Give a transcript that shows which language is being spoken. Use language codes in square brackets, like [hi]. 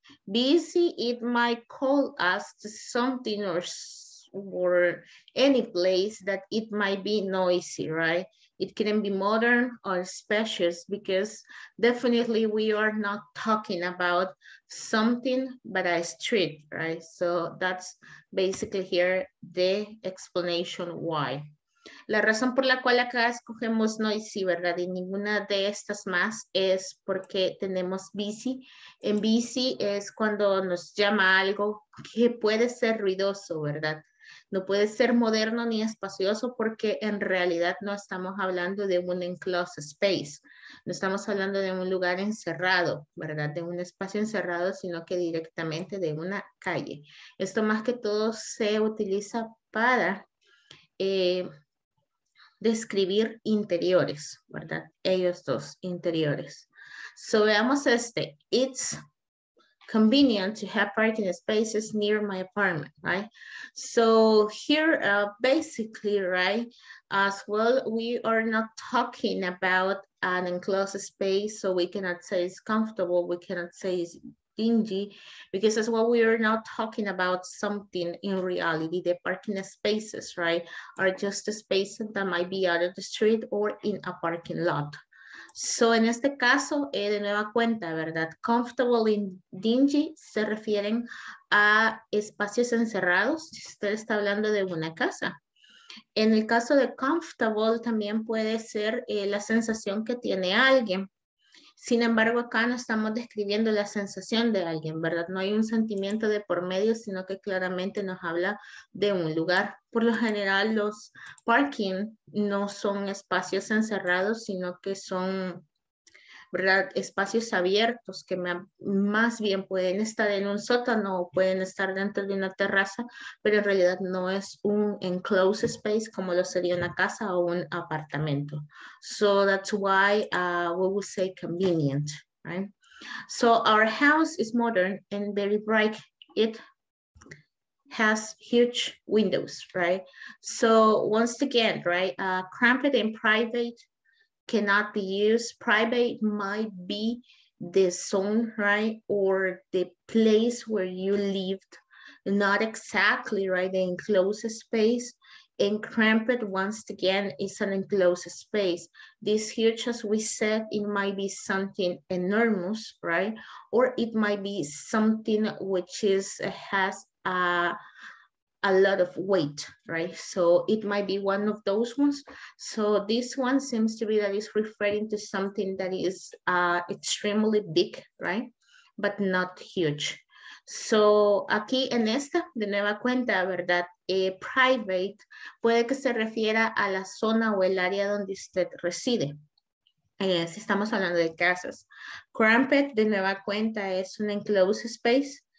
[en] Busy, it might call us to something or any place that it might be noisy, right? It can be modern or spacious because definitely we are not talking about something but a street, right? So that's basically here the explanation why. [es] La razón por la cual acá escogemos noisy, ¿verdad? Y ninguna de estas más es porque tenemos busy. En busy es cuando nos llama algo que puede ser ruidoso, ¿verdad? No puede ser moderno ni espacioso porque en realidad no estamos hablando de un enclosed space. No estamos hablando de un lugar encerrado, ¿verdad? De un espacio encerrado, sino que directamente de una calle. Esto más que todo se utiliza para describir interiores, ¿verdad? Ellos dos, interiores. So veamos este. [en] It's convenient to have parking spaces near my apartment, right? So here, basically, right, as well, we are not talking about an enclosed space, so we cannot say it's comfortable, we cannot say it's dingy, because as well, we are not talking about something in reality. The parking spaces, right, are just a space that might be out of the street or in a parking lot. [es] So en este caso, de nueva cuenta, ¿verdad? [en] Comfortable and dingy [es] se refieren a espacios encerrados. Usted está hablando de una casa. En el caso de comfortable, también puede ser la sensación que tiene alguien. Sin embargo, acá no estamos describiendo la sensación de alguien, ¿verdad? No hay un sentimiento de por medio, sino que claramente nos habla de un lugar. Por lo general, los parking no son espacios encerrados, sino que son, ¿verdad?, espacios abiertos que más bien pueden estar en un sótano o pueden estar dentro de una terraza, pero en realidad no es un enclosed space como lo sería una casa o un apartamento. [en] So that's why we would say convenient, right? So our house is modern and very bright. It has huge windows, right? So once again, right, cramped and private, cannot be used. Private might be the zone, right? Or the place where you lived. Not exactly, right? The enclosed space. And cramped, once again, is an enclosed space. This huge, as we said, it might be something enormous, right? Or it might be something which has a lot of weight, right? So it might be one of those ones. So this one seems to be that is referring to something that is extremely big, right? But not huge. [es] So aquí en esta, de nueva cuenta, ¿verdad? Private puede que se refiera a la zona o el área donde usted reside. Si estamos hablando de casas. Cramped, de nueva cuenta, es un enclosed space.